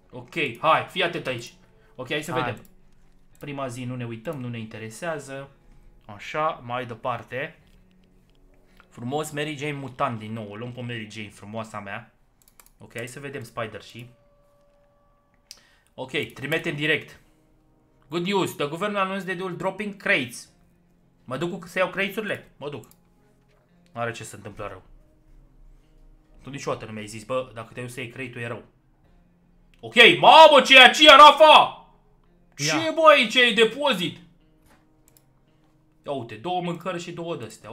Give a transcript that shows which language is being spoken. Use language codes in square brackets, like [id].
[ro] Ok, hai, fii atent aici. Ok, hai să hai. Vedem. Prima zi nu ne uităm, nu ne interesează. Așa, mai departe. Frumos, Mary Jane Mutant din nou. O luăm pe Mary Jane, frumoasa mea. Ok, hai să vedem Spider și. Ok, trimitem direct. [en] Good news, the government announced the deal dropping crates. [ro] Mă duc să iau crates-urile? Mă duc. N-are ce se întâmplă rău. Tu niciodată nu mi-ai zis, bă, dacă te-ai dus să iei crate-ul e rău. Ok, mamă, ce-i aceea, Rafa? Ce, yeah. Bă, aici e depozit? Ia uite, două mâncări și două d-astea.